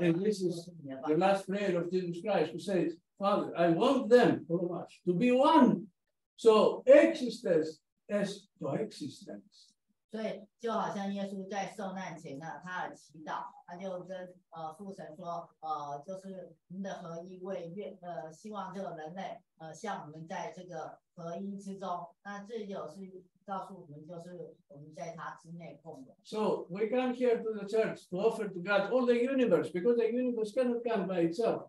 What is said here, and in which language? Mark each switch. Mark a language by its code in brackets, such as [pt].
[en] And this is the last prayer of Jesus Christ, who says, Father, I want them to be one. So existence as coexistence. [zh] 所以就好像耶稣在受难前呢，他的祈祷，他就跟父神说，就是您的合一为愿，希望这个人类，像我们在这个合一之中，那这就是告诉我们，就是我们在他之内共有。 [en] So we come here to the church to offer to God all the universe, because the universe cannot come by itself.